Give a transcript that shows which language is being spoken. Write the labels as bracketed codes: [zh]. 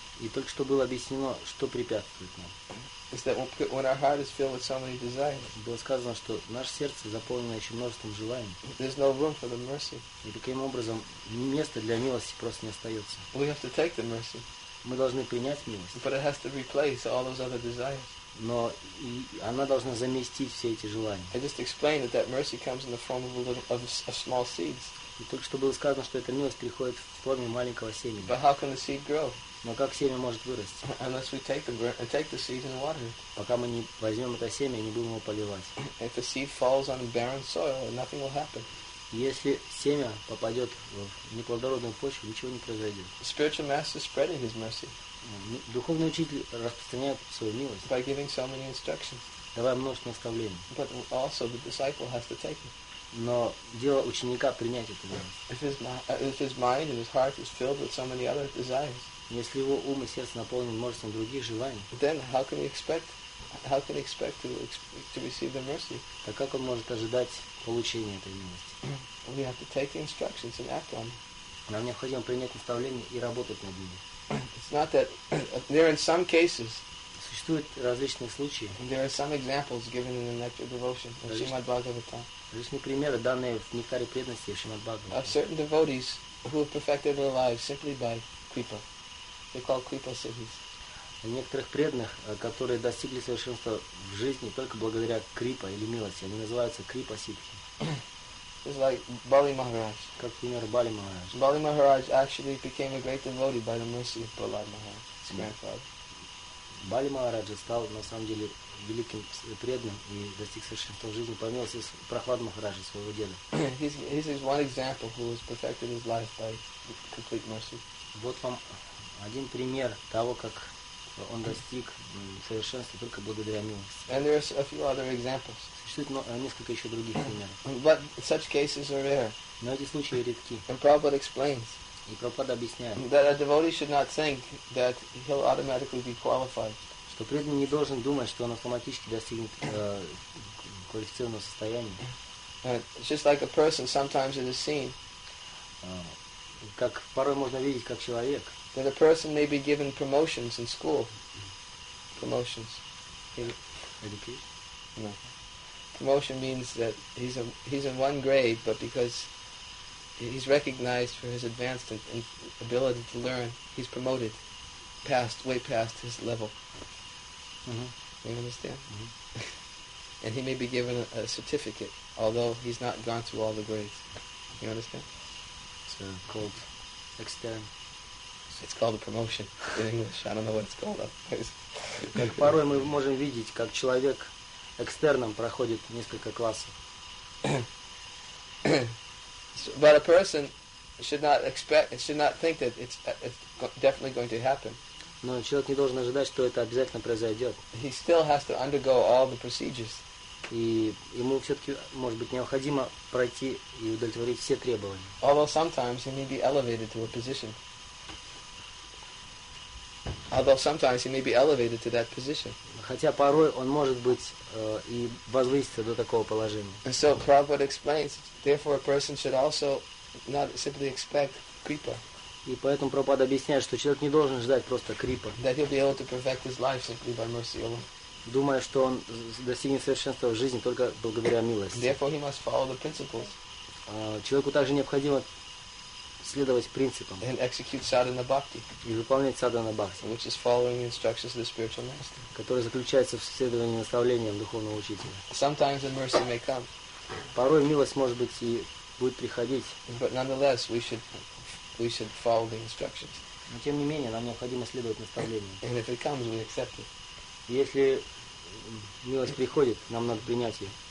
[ru] И только что было объяснено, что препятствует нам. [en] Is that when our heart is filled with so many desires? [ru] Было сказано, что наше сердце заполнено еще множеством желаний. [en] There's no room for the mercy. [ru] И таким образом места для милости просто не остается. [en] We have to take the mercy. [ru] Мы должны принять милость. [en] But it has to replace all those other desires. [ru] Но и она должна заместить все эти желания. [en] I just explained that mercy comes in the form of a small seeds. [ru] И только что было сказано, что эта милость приходит в форме маленького семени. [en] But how can the seed grow? [ru] Но как семя может вырасти? [en] Unless we take the seed and water it. [ru] Пока мы не возьмем это семя и не будем его поливать. [en] If the seed falls on barren soil, nothing will happen. [ru] Если семя попадет в неплодородную почву, ничего не произойдет. [en] Spiritual master spreading his mercy. [ru] Духовный учитель распространяет свою милость. [en] By giving so many instructions. [ru] Давая множество наставлений. [en] But also the disciple has to take it. [ru] Но дело ученика принять это милость. [en] If his mind and his heart is filled with so many other desires. [ru] Если его ум и сердце наполнены множеством других желаний. [en] Then how can he expect to receive the mercy? [ru] Так как он может ожидать получения этой милости? [en] We have to take the instructions and act on them. [ru] Нам необходимо принять наставления и работать над ними. [en] It's not that there in some cases. [ru] Существуют различные случаи. [en] There are some examples given in the Nectar of Devotion of Srimad Bhagavatam. [ru] Различные примеры, данные в Нектаре преданности Шримад Бхагаватам. [en] Of certain devotees who have perfected their lives simply by kripa. They call kripa siddhis. [ru] Некоторых преданных, которые достигли совершенства в жизни только благодаря крипа или милости, они называются крипа сиддхи. [en] It's like Bali Maharaj. [ru] Как пример Бали Махарадж. [en] Bali Maharaj actually became a great devotee by the mercy of Prahlad Maharaj, his grandfather. [ru] Бали Махараджа стал на самом деле великим преданным и достиг совершенства в жизни по милости Прохлад Махараджа, своего деда. [en] He's one example who has perfected his life by complete mercy. [ru] Вот вам один пример того, как он достиг совершенства только благодаря милости. [en] And there are a few other examples. [ru] Существует несколько еще других примеров. [en] But such cases are rare. [ru] Но эти случаи редки. [en] And Prabhupada explains. [ru] И Прабхупада объясняет. [en] That a devotee should not think that he'll automatically be qualified. [ru] Что преданный не должен думать, что он автоматически достигнет квалифицированного состояния. [en] It's just like a person sometimes in a scene. [ru] Как порой можно видеть, как человек. [en] That a person may be given promotions in school. Promotions. Education? No. Promotion means that he's in one grade, but because he's recognized for his advanced and ability to learn, he's promoted past, way past his level. Mm-hmm. You understand? Mm-hmm. And he may be given a certificate, although he's not gone through all the grades. You understand? Called extern. It's called a promotion in English. I don't know what it's called. [ru] Как порой мы можем видеть, как человек экстерном проходит несколько классов. [en] But a person should not think that it's definitely going to happen. [ru] Но человек не должен ожидать, что это обязательно произойдет. [en] He still has to undergo all the procedures. [ru] И ему все-таки, может быть, необходимо пройти и удовлетворить все требования. [en] Although sometimes he may be elevated to a position. Although sometimes he may be elevated to that position. [ru] Хотя порой он может быть и возвыситься до такого положения. [en] And so Prabhupada explains, therefore a person should also not simply expect kripa. [ru] И поэтому Прабхупада объясняет, что человек не должен ждать просто крипа. [en] That he'll be able to perfect his life simply by mercy alone. [ru] Думая, что он достигнет совершенства в жизни только благодаря милости. [en] Therefore he must follow the principles. [ru] Человеку также необходимо следовать принципам. [en] And execute sadhana bhakti. [ru] И выполнять sadhana bhakti. [en] Which is following instructions of the spiritual master. [ru] Которая заключается в следовании наставлениям духовного учителя. [en] Sometimes the mercy may come. [ru] Порой милость, может быть, и будет приходить. [en] But nonetheless, we should follow the instructions. [ru] Но тем не менее, нам необходимо следовать наставлениям. [en] And if it comes, we accept it. [ru] Если милость приходит, нам надо принять ее.